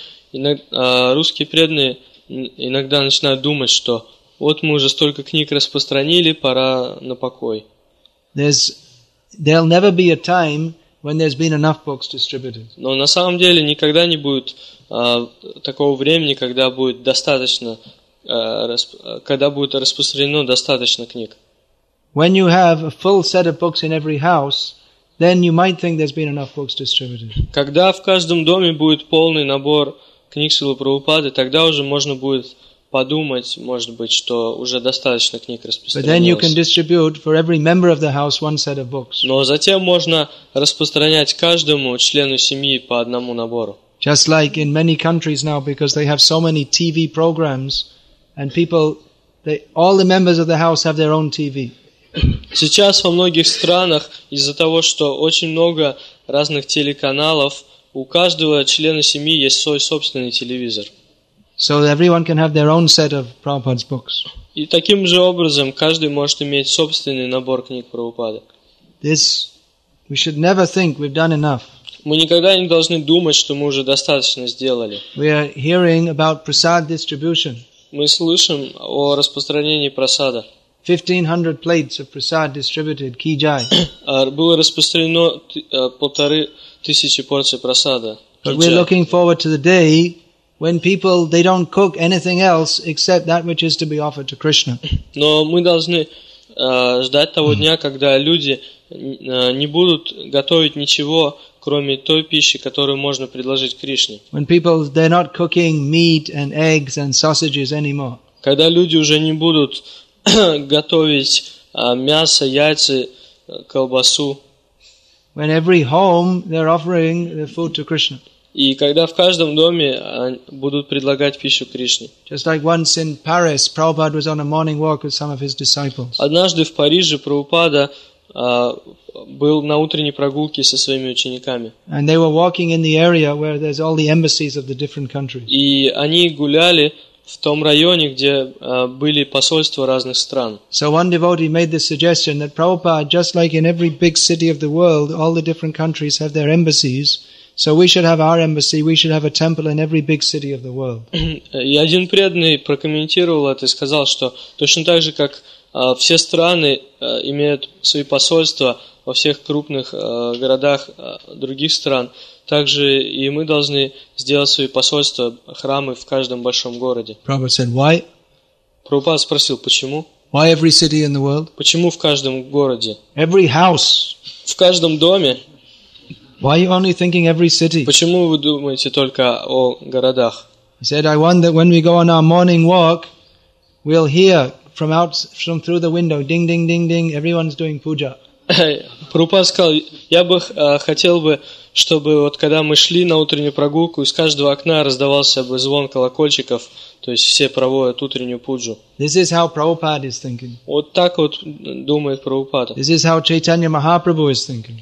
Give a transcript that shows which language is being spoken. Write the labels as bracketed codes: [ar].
[ru] Русские преданные иногда начинают думать, что вот мы уже столько книг распространили, пора на покой. [en] There'll never be a time when there's been enough books distributed. [ru] Но на самом деле никогда не будет такого времени, когда будет достаточно, когда будет распространено достаточно книг. [en] When you have a full set of books in every house, then you might think there's been enough books distributed. [ru] Когда в каждом доме будет полный набор книг Шрилы Прабхупады, тогда уже можно будет подумать, может быть, что уже достаточно книг распространилось. [en] But then you can distribute for every member of the house one set of books. [ru] Но затем можно распространять каждому члену семьи по одному набору. [en] Just like in many countries now, because they have so many TV programs, and people, all the members of the house have their own TV. [ru] Сейчас во многих странах из-за того, что очень много разных телеканалов, у каждого члена семьи есть свой собственный телевизор. [en] So everyone can have their own set of Prabhupada's books. [ru] И таким же образом каждый может иметь собственный набор книг Прабхупады. [en] This we should never think we've done enough. [ru] Мы никогда не должны думать, что мы уже достаточно сделали. [en] We are hearing about prasad distribution. [ru] Мы слышим о распространении прасада. [en] 1500 plates of prasad distributed, kijai. [ru] Было распространено 1500 порций прасада. [en] But we're looking forward to the day when people, they don't cook anything else except that which is to be offered to Krishna. [ru] Но мы должны ждать того дня, когда люди не будут готовить ничего, кроме той пищи, которую можно предложить Кришне. [en] When people, they're not cooking meat and eggs and sausages anymore. [ru] Когда люди уже не будут готовить мясо, яйца, колбасу. [en] When every home, they're offering the food to Krishna. [ru] И когда в каждом доме будут предлагать пищу Кришне. [en] Just like once in Paris, Prabhupada was on a morning walk with some of his disciples. [ru] Однажды в Париже Прабхупада был на утренней прогулке со своими учениками. [en] And they were walking in the area where there's all the embassies of the different countries. [ru] И они гуляли в том районе, где были посольства разных стран. [en] So one devotee made the suggestion that Prabhupada, just like in every big city of the world, all the different countries have their embassies. So we should have our embassy, we should have a temple in every big city of the world. [ru] И один преданный прокомментировал это и сказал, что точно так же, как все страны имеют свои посольства во всех крупных городах других стран, также и мы должны сделать свои посольства, храмы в каждом большом городе. [en] Prabhupada said, why? [ru] Прабхупада спросил, почему? [en] Why every city in the world? [ru] Почему в каждом городе? [en] Every house. [ru] В каждом доме. [en] Why are you only thinking every city? [ru] Почему вы думаете только о городах? [en] He said, I want that when we go on our morning walk, we'll hear from through the window, ding, ding, ding, ding, everyone's doing puja. [ru] Прабхупада сказал, я бы хотел бы, чтобы вот когда мы шли на утреннюю прогулку, из каждого окна раздавался бы звон колокольчиков, то есть все проводят утреннюю пуджу. [en] This is how Prabhupada is thinking. [ru] Вот так вот думает Прабхупада. [en] This is how Chaitanya Mahaprabhu is thinking.